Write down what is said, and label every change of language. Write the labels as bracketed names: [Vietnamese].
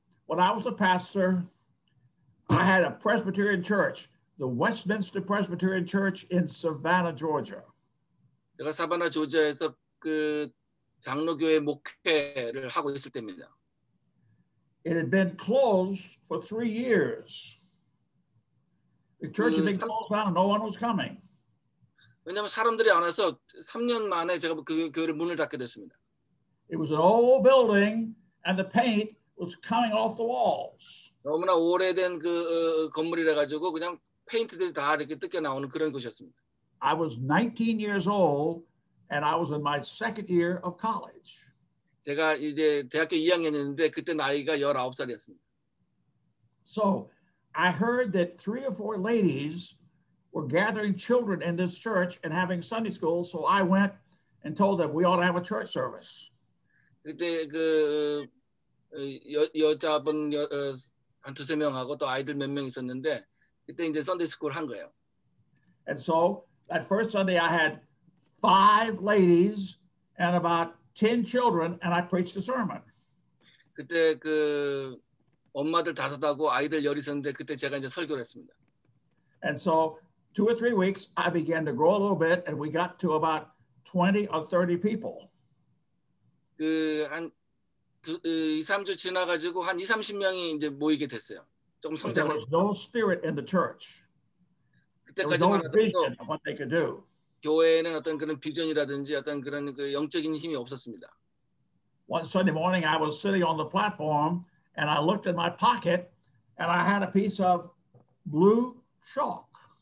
[English] when I was a pastor, I had a Presbyterian church. The Westminster Presbyterian Church in Savannah, Georgia. [Korean] 제가 사바나 조지아에서 그 장로교회 목회를 하고 있을 때입니다. [English] It had been closed for 3 years. The church had been closed down and no one was coming. [Korean] 왜냐면 사람들이 안 와서 3년 만에 제가 그 교회를 문을 닫게 됐습니다. [English] It was an old building and the paint was coming off the walls. [Korean] 너무나 오래된 그 건물이라 가지고 그냥 페인트들이 다 이렇게 뜯겨 나오는 그런 곳이었습니다. [English] I was 19 years old and I was in my second year of college. [Korean] 제가 이제 대학교 2학년이었는데 그때 나이가 19살이었습니다. [English] So I heard that three or four ladies were gathering children in this church and having Sunday school, so I went and told them we ought to have a church service. [Korean] 그때 그 여자분 한 두세 명하고 또 아이들 몇 명 있었는데 그때 이제 Sunday school 한 거예요. [English] And so that first Sunday I had five ladies and about 10 children and I preached a sermon. [Korean] 그때 그 엄마들 다섯하고 아이들 열 있었는데 그때 제가 이제 설교를 했습니다. [English] And so two or three weeks I began to grow a little bit and we got to about 20 or 30 people. [Korean] 그 한 2-3주 지나 가지고 한 20-30명이 이제 모이게 됐어요. 좀 성장을 [English] There was no spirit in the church. [Korean] 그때까지만 해도 [English] no what they could do. [Korean] 교회에는 어떤 그런 비전이라든지 어떤 그런 그 영적인 힘이 없었습니다. [English] One Sunday morning I was sitting on the platform and I looked in my pocket and I had a piece of blue chalk.